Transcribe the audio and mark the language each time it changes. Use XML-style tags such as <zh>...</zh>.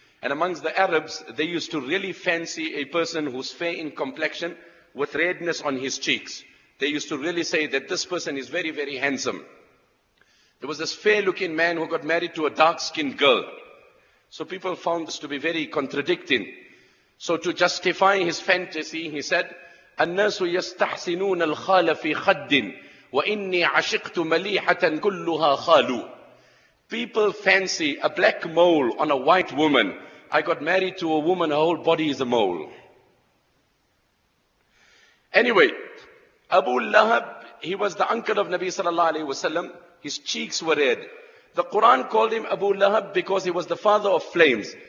<en>And amongst the Arabs, they used to really fancy a person who's fair in complexion with redness on his cheeks. They used to really say that this person is very, very handsome. There was this fair-looking man who got married to a dark-skinned girl. So people found this to be very contradicting. So to justify his fantasy, he said,</en> <ar>"النَّاسُ يَسْتَحْسِنُونَ الْخَالَ فِي خَدٍّ وَإِنِّي عَشِقْتُ مَلِيحَةً كُلُّهَا خَالُ."</ar> <en>People fancy a black mole on a white woman. I got married to a woman, her whole body is a mole. Anyway, Abu Lahab, he was the uncle of Nabi sallallahu alayhi wa sallam. His cheeks were red. The Quran called him Abu Lahab because he was the father of flames.</en>